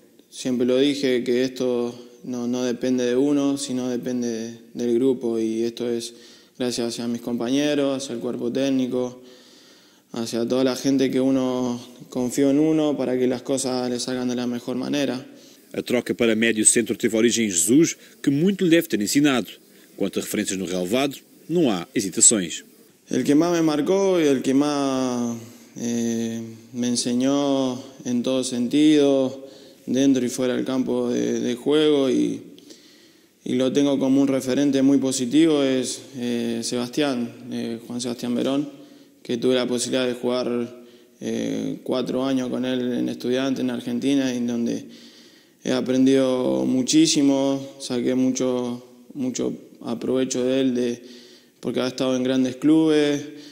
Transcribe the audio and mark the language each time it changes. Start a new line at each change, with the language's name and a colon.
Spanish: Sempre lo dije que isto no depende de uno, sino depende del grupo, y esto es gracias a mis compañeros, hacia el cuerpo técnico, hacia toda la gente que uno confió en uno para que las cosas le salgan de la mejor manera.
Portuguese: A troca para médio centro teve origem em Jesus, que muito lhe deve ter ensinado. Quanto a referências no relvado, não há hesitações.
Spanish: El que más me marcó y el que más me enseñó en todo sentido, dentro y fuera del campo de juego, y lo tengo como un referente muy positivo, es Juan Sebastián Verón, que tuve la posibilidad de jugar 4 años con él en Estudiantes, en Argentina, y en donde he aprendido muchísimo, saqué mucho aprovecho de él, porque ha estado en grandes clubes